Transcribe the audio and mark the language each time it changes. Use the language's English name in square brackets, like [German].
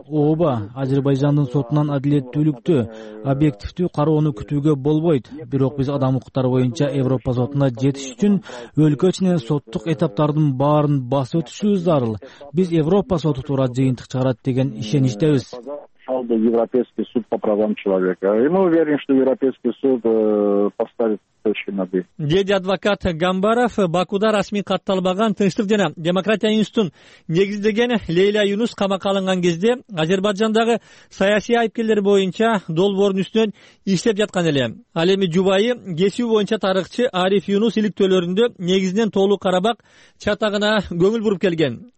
[Kyrgyz] Ооба, Азербайжандын сотунан адилеттүүлүктү, объективдүү кароону күтүүгө болбойт. Бирок биз адам укуктары боюнча Европа сотуна жетиш үчүн өлкө ичинен соттук этаптардын баарын басып өтүшүбүз зарыл. Биз Европа соту туура жыйынтык чыгарат деген ишеничтебиз. [Russian] Европейский суд по правам человека. И мы уверены, что Европейский суд поставит точки над и. [Kyrgyz] Деди адвокат Гамбаров Бакуда расмий катталбаган тынчтык жана демократия институтун негиздеген Лейла Юнус камакка алынган кезде Азербайжандагы саясий айыпкерлер боюнча долбоорун үстүнөн иштеп жаткан эле. Ал эми жубайы кесүү боюнча тарыхчы Ариф Юнус иликтөөлөрүндө негизинен Тоолу Карабак чатагына көңүл буруп келген.